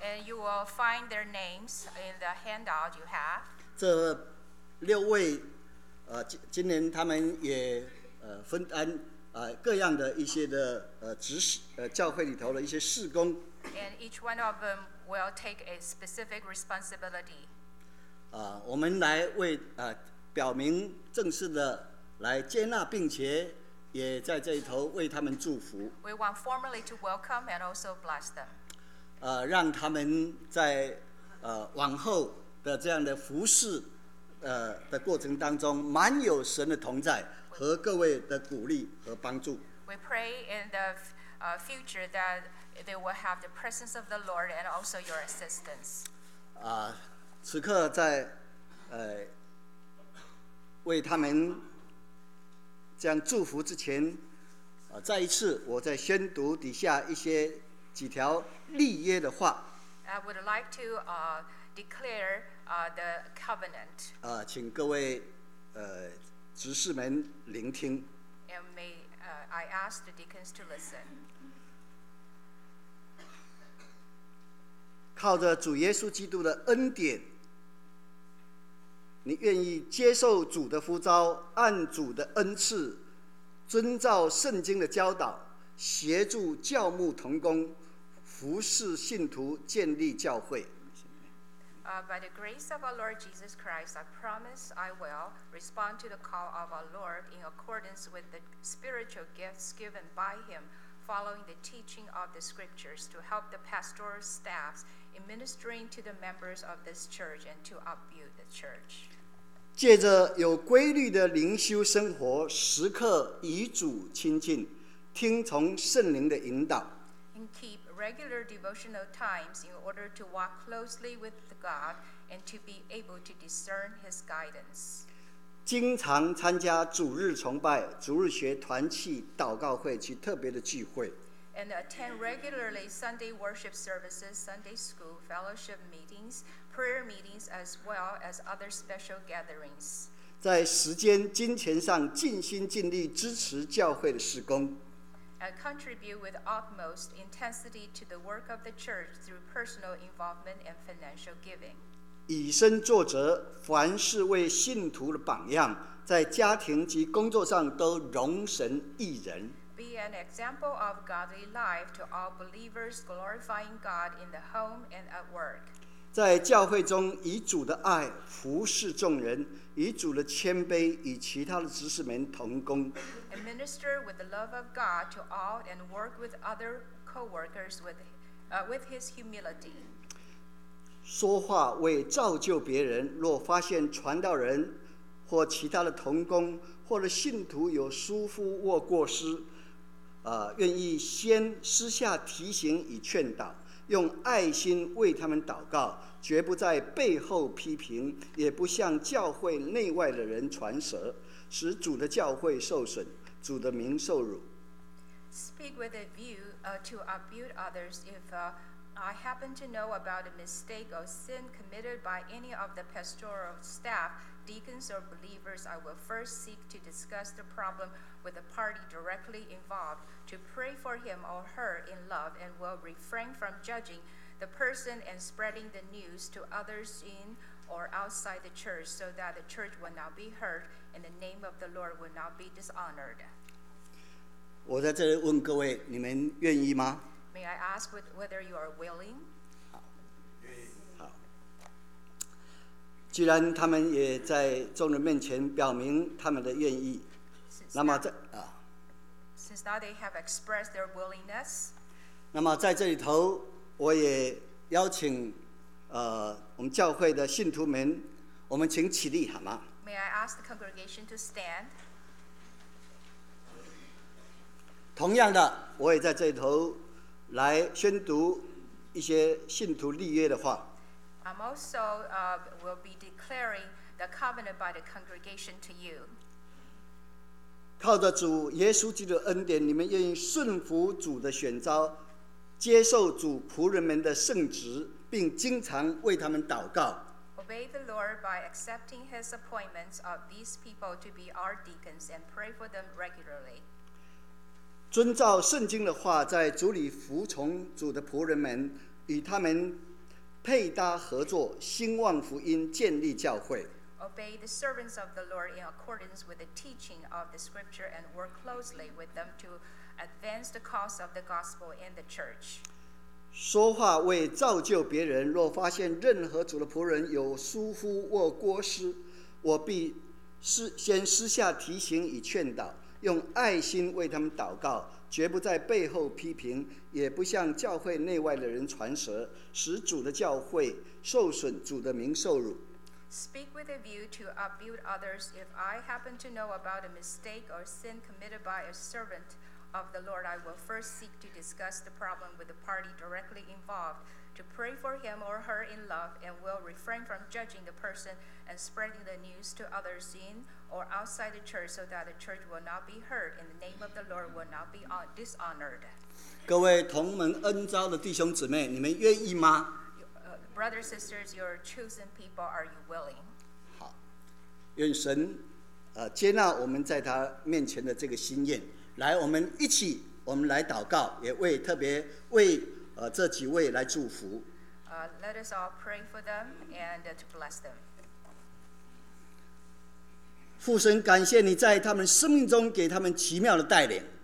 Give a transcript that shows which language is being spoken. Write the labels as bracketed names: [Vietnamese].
[English] And you will find their names in the handout you have. [Chinese] 这六位今年他们也分担各样的一些的执事教会里头的一些事工。 [English] And each one of them will take a specific responsibility. [Chinese] 我们来为表明正式的来接纳，并且也在这一头为他们祝福。 [English] We want formally to welcome and also bless them. [Chinese] 让他们在往后的这样的服事的过程当中，满有神的同在和各位的鼓励和帮助。 [English] We pray in the future that they will have the presence of the Lord and also your assistance. [Chinese] 此刻在为他们这样祝福之前，再一次我再宣读底下一些几条立约的话。 [English] I would like to declare the covenant. [Chinese] 请各位执事们聆听。 [English] And may I ask the deacons to listen. [Chinese] 靠着主耶稣基督的恩典，你愿意接受主的呼召，按主的恩赐，遵照圣经的教导，协助教牧同工，服侍信徒，建立教会。 [English] By the grace of our Lord Jesus Christ, I promise I will respond to the call of our Lord in accordance with the spiritual gifts given by Him, following the teaching of the Scriptures to help the pastoral staffs in ministering to the members of this church and to upbuild the church. [Chinese] 借着有规律的灵修生活，时刻与主亲近，听从圣灵的引导。 [English] And keep regular devotional times in order to walk closely with God and to be able to discern His guidance. [Chinese] 经常参加主日崇拜、主日学、团契、祷告会及特别的聚会。 [English] And attend regularly Sunday worship services, Sunday school, fellowship meetings, prayer meetings, as well as other special gatherings. [Chinese] 在时间、金钱上尽心尽力支持教会的事工。 [English] And contribute with utmost intensity to the work of the church through personal involvement and financial giving. [Chinese] 以身作则，凡事为信徒的榜样，在家庭及工作上都荣神益人。 [English] Be an example of godly life to all believers, glorifying God in the home and at work. [Chinese] 在教会中以主的爱服侍众人，以主的谦卑与其他的执事们同工。 [English] And minister with the love of God to all and work with other co-workers with his humility. [Chinese] 说话为造就别人，若发现传道人或其他的同工或者信徒有疏忽或过失，愿意先私下提醒与劝导，用爱心为他们祷告，绝不在背后批评，也不向教会内外的人传舌，使主的教会受损，主的名受辱。 [English] Speak with a view to upbuild others if I happen to know about a mistake or sin committed by any of the pastoral staff, deacons or believers, I will first seek to discuss the problem with the party directly involved, to pray for him or her in love, and will refrain from judging the person and spreading the news to others in or outside the church, so that the church will not be hurt and the name of the Lord will not be dishonored. [Chinese] 我在这里问各位，你们愿意吗？ [English] May I ask whether you are willing? [Chinese] 好，既然他们也在众人面前表明他们的愿意，那么在啊 [English] ，Since now they have expressed their willingness, [Chinese] 那么在这里头，我也邀请我们教会的信徒们，我们请起立好吗 [English] ？May I ask the congregation to stand? [Chinese] 同样的，我也在这里头。来宣读一些信徒立约的话。 [English] I'm also will be declaring the covenant by the congregation to you. [Chinese] 靠着主耶稣基督的恩典，你们愿意顺服主的选召，接受主仆人们的圣职，并经常为他们祷告。 [English] Obey the Lord by accepting His appointments of these people to be our deacons and pray for them regularly. [Chinese] 遵照圣经的话，在主里服从主的仆人们，与他们配搭合作，兴旺福音，建立教会。 [English] Obey the servants of the Lord in accordance with the teaching of the Scripture and work closely with them to advance the cause of the gospel in the church. [Chinese] 说话为造就别人，若发现任何主的仆人有疏忽或过失，我必先私下提醒与劝导。用爱心为他们祷告，绝不在背后批评，也不向教会内外的人传舌，使主的教会受损，主的名受辱。 [English] Speak with a view to upbuild others. If I happen to know about a mistake or sin committed by a servant of the Lord, I will first seek to discuss the problem with the party directly involved, to pray for him or her in love, and will refrain from judging the person and spreading the news to others in. Or outside the church, so that the church will not be hurt, and the name of the Lord will not be dishonored. [Chinese] 各位同门恩召的弟兄姊妹，你们愿意吗？ [English] Brothers, sisters, your chosen people, are you willing? [Chinese] 好，愿神接纳我们在他面前的这个心愿。来，我们一起，我们来祷告，也为特别为这几位来祝福。 [English] Let us all pray for them and to bless them. [Chinese] 父神，感谢你在他们生命中给他们奇妙的带领。